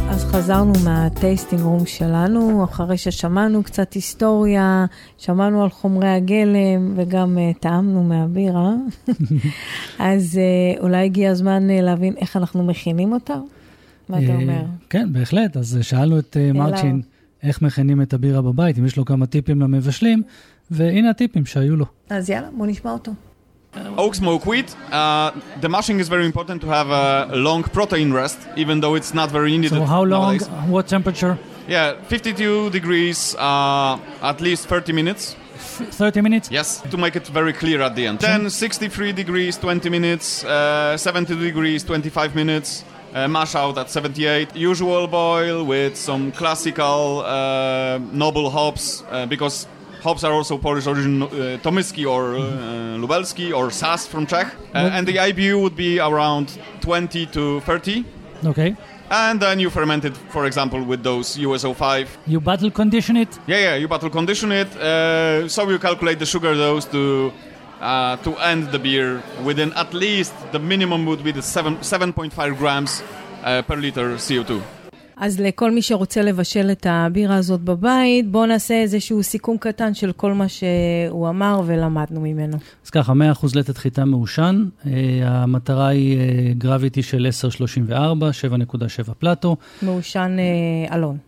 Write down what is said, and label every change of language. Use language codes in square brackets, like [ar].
[he] חזרנו מהטייסטינג רום שלנו, אחרי ששמענו קצת היסטוריה, שמענו על חומרי הגלם, וגם טעמנו מהבירה. אז אולי הגיע הזמן להבין איך אנחנו מכינים אותה? מה אתה אומר? כן, בהחלט. אז שאלנו את מרצ'ין, איך מכינים את הבירה בבית, אם יש לו כמה טיפים למבשלים, והנה הטיפים שהיו לו. אז יאללה, בוא נשמע אותו. [en] Oak smoke wheat, the mashing is very important to have a long protein rest, even though it's not very needed. So how long, what temperature? Yeah, 52 degrees, at least 30 minutes. 30 minutes? Yes, to make it very clear at the end. Then 63 degrees, 20 minutes, 70 degrees, 25 minutes, mash out at 78. Usual boil with some classical noble hops, because hops are also Polish origin, Tomyski or Lubelski or Sas from Czech. And the IBU would be around 20 to 30. Okay. And then you ferment it, for example, with those USO5. You bottle condition it? Yeah, yeah, you bottle condition it. So you calculate the sugar dose to end the beer within at least, the minimum would be the 7.5 grams per liter CO2. [he] אז לכל מי שרוצה לבשל את הבירה הזאת בבית, בוא נעשה איזשהו סיכום קטן של כל מה שהוא אמר ולמדנו ממנו. אז ככה, 100% לתת חיטה מאושן, המטרה היא גרביטי של 10.34, 7.7 פלטו. מאושן אלון.